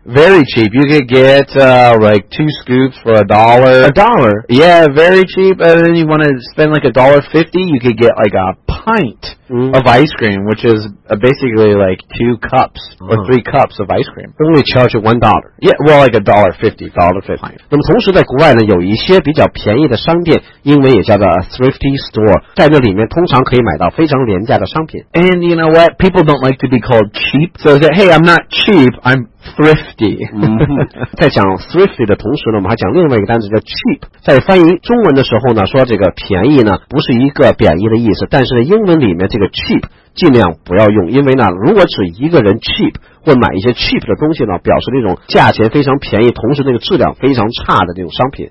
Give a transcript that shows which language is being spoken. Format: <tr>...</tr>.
<en>Very cheap. You could get like 2 scoops for $1. A dollar? Yeah, very cheap. And then you want to spend like $1.50, you could get like a pint of ice cream, which is basically like 2 cups or 3 cups of ice cream. Only charge $1. Yeah, well, like $1.50.</en> <zh>$1.50. 那么同时在国外呢，有一些比较便宜的商商店，英文也叫做 thrifty store， 在那里面通常可以买到非常廉价的商品。</zh> <en>And you know what? People don't like to be called cheap, so they say, "Hey, I'm not cheap, I'm thrifty."</en> <zh>在讲 thrifty 的同时呢，我们还讲另外一个单词叫 cheap。在翻译中文的时候呢，说这个便宜呢，不是一个贬义的意思，但是英文里面这个 cheap。尽量不要用，因为呢，如果指一个人 cheap 或买一些 cheap 的东西呢，表示那种价钱非常便宜，同时那个质量非常差的那种商品。</zh>